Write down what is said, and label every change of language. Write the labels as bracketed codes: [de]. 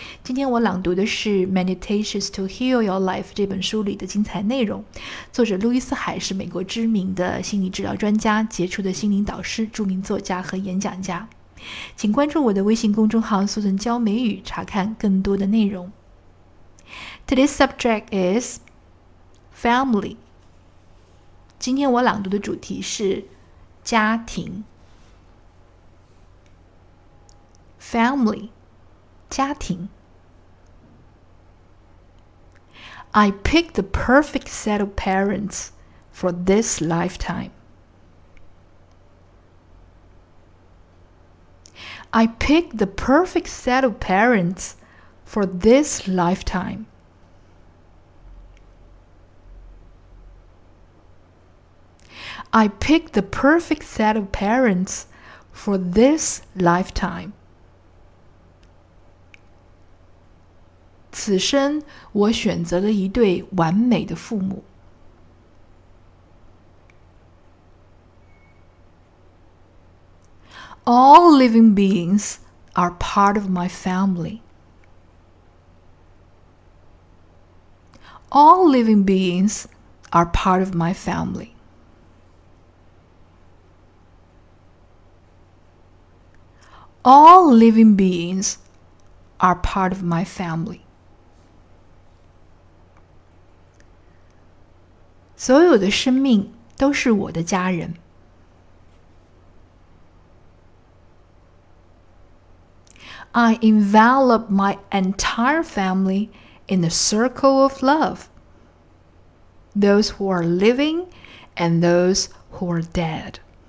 [zh] 今天我朗读的是 Meditations to Heal Your Life 这本书里的精彩内容。作者路易斯海是美国知名的心理治疗专家，杰出的心灵导师，著名作家和演讲家。请关注我的微信公众号 Susan 教美语，查看更多的内容。 [en] Today's subject isFamily. [zh] 今天我朗读的主题是家庭。 Family, 家庭。 [en] I picked the perfect set of parents for this lifetime. I picked the perfect set of parents for this lifetime. I picked the perfect set of parents for this lifetime. [zh] 此生我选择了一对完美的父母。 [en] All living beings are part of my family. All living beings are part of my family. All living beings are part of my family. [zh] 所有的生命都是我的家人。 [en] I envelop my entire family in a circle of love. Those who are living and those who are dead.